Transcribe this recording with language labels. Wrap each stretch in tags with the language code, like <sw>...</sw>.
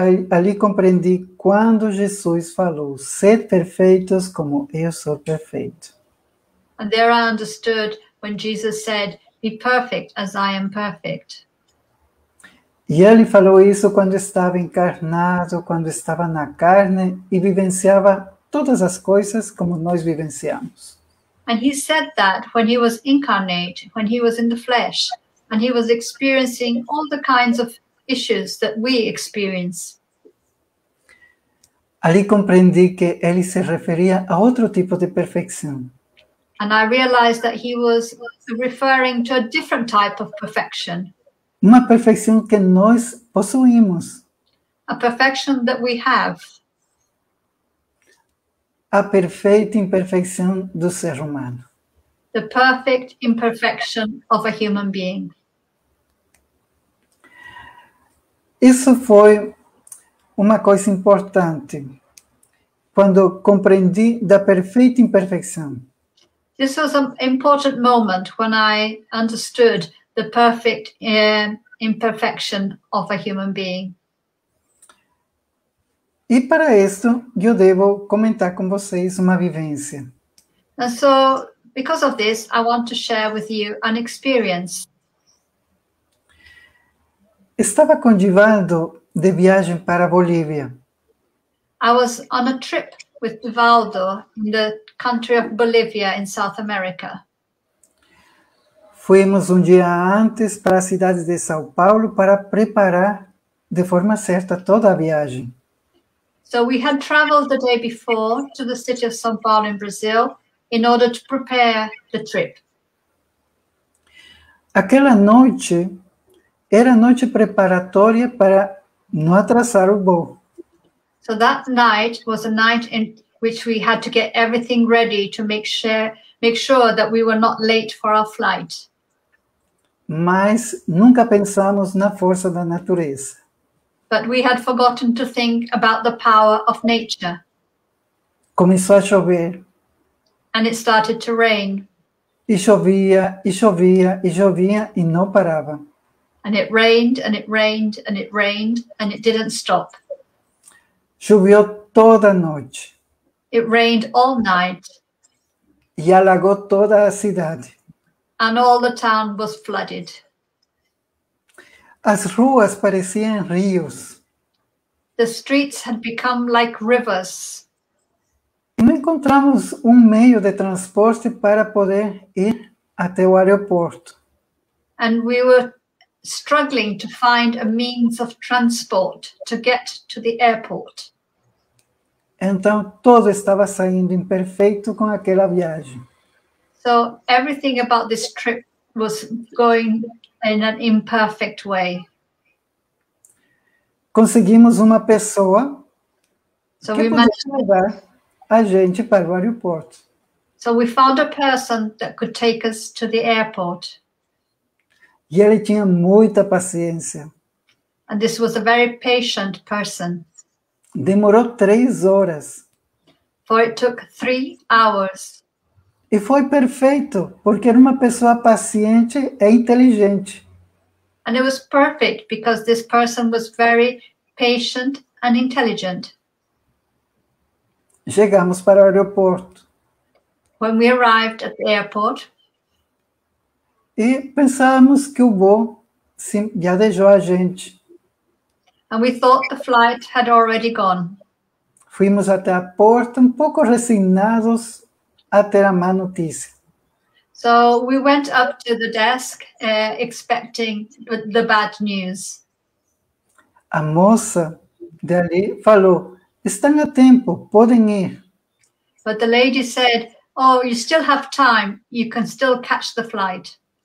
<pt>Ali compreendi quando Jesus falou, ser perfeitos como eu sou perfeito.</pt> <en>And there I understood when Jesus said, be perfect as I am perfect.</en> <pt>E ele falou isso quando estava encarnado, quando estava na carne e vivenciava todas as coisas como nós vivenciamos.</pt> <en>And he said that when he was incarnate, when he was in the flesh, and he was experiencing all the kinds of issues that we experience.</en> <pt>Ali compreendi que ele se referia a outro tipo de perfeição.</pt> <en>And I realized that he was referring to a different type of perfection.</en> <pt>Uma perfeição que nós possuímos.</pt> <en>A perfection that we have.</en> <pt>A perfeita imperfeição do ser humano.</pt> <en>The perfect imperfection of a human being.</en> <pt>Isso foi uma coisa importante. Quando compreendi da perfeita imperfeição.</pt> <en>This was an important moment when I understood the perfect imperfection of a human being.</en> <pt>E para isso, eu devo comentar com vocês uma vivência.</pt> <en>And so, because of this, I want to share with you an experience.</en> <pt>Estava com Divaldo de viagem para Bolívia.</pt> <en>I was on a trip with Divaldo in the country of Bolivia in South America.</en> <pt>Fuimos dia antes para a cidade de São Paulo para preparar de forma certa toda a viagem.</pt> <en>So we had traveled the day before to the city of São Paulo in Brazil in order to prepare the trip.</en> <pt>Aquela noite era noite preparatória para não atrasar o voo.</pt> <en>So that night was a night in which we had to get everything ready to make sure that we were not late for our flight.</en> <pt>Mas nunca pensamos na força da natureza.</pt> <en>But we had forgotten to think about the power of nature.</en> <pt>Começou a chover.</pt> <en>And it started to rain.</en> <pt>E chovia, e chovia, e chovia, e não parava.</pt> <en>And it rained, and it rained, and it rained, and it didn't stop.</en> <pt>Choveu toda noite.</pt> <en>It rained all night.</en> <pt>E alagou toda a cidade.</pt> <en>And all the town was flooded.</en> <pt>As ruas pareciam rios.</pt> <en>The streets had become like rivers.</en> <pt>Não encontramos meio de transporte para poder ir até o aeroporto.</pt> <en>And we were struggling to find a means of transport to get to the airport.</en> <pt>Então, tudo estava saindo imperfeito com aquela viagem.</pt> <en>So, everything about this trip was going in an imperfect way.</en> <pt>conseguimos uma pessoa so que pudesse levar a gente para o aeroporto.</pt> <en>So we found a person that could take us to the airport.</en> <pt>E ele tinha muita paciência.</pt> <en>And this was a very patient person.</en> <pt>Demorou 3 horas.</pt> <en>For it took 3 hours.</en> <pt>E foi perfeito, porque era uma pessoa paciente e inteligente.</pt> <en>And it was perfect because this person was very patient and intelligent.</en> <pt>Chegamos para o aeroporto.</pt> <en>When we arrived at the airport.</en> <pt>E pensamos que o voo se viajou a gente.</pt> <en>And we thought the flight had already gone.</en> <pt>Fuimos até a porta, pouco resignados a ter a má notícia.</pt> <en>So we went up to the desk expecting the bad news.</en> <pt>A moça dali falou, estão a tempo, podem ir.</pt> <en>But the lady said, oh, you still have time, you can still catch the flight.</en>